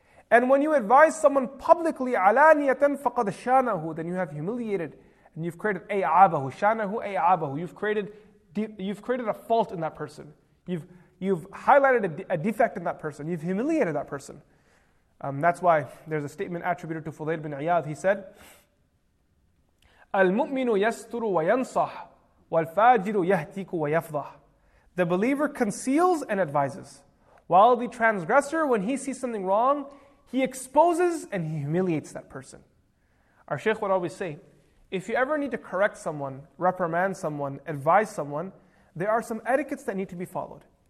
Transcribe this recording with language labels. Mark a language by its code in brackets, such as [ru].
[en] And when you advise someone publicly, [ar] عَلَانِيَةً فَقَدْ شَانَهُ, [en] then you have humiliated and you've created [ar] أَيْعَابَهُ, شَانَهُ أَيْعَابَهُ. [en] You've created a fault in that person. You've highlighted a defect in that person. You've humiliated that person. That's why there's a statement attributed to Fudayl bin Iyad. He said, [ar] أَلْمُؤْمِنُ يَسْتُرُ وَيَنْصَحْ وَالْفَاجِرُ يَهْتِكُ وَيَفْضَحْ. [en] The believer conceals and advises, while the transgressor, when he sees something wrong, he exposes and he humiliates that person. Our Shaykh would always say, If you ever need to correct someone, reprimand someone, advise someone, there are some etiquettes that need to be followed.